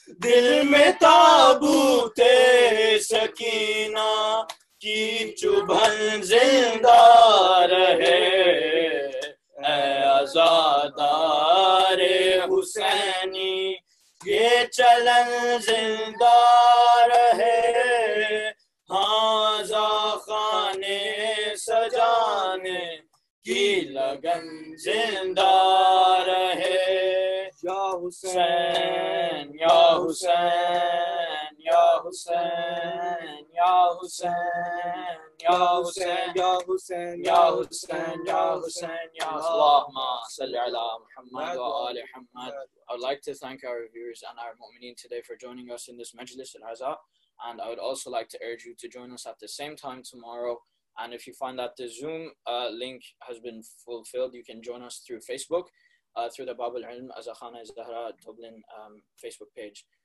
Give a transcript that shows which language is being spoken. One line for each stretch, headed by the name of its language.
Urdu: دل میں تابوت سکینہ کی چبھن زندہ رہے اے آزادار حسینی یہ چلن زندہ رہے ہاں خانے سجانے کی لگن زندہ رہے
Arabic: یا حسین یا حسین یا حسین یا حسین یا حسین یا حسین یا حسین یا حسین یا حسین اللهم صل على محمد وآل محمد
English: I would like to thank our viewers and our mu'mineen today for joining us in this majlis al-Aza. And I would also like to urge you to join us at the same time tomorrow. And if you find that the Zoom link has been fulfilled, you can join us through Facebook, through the Bab al-Ilm Azakhana Zahra Dublin Facebook page.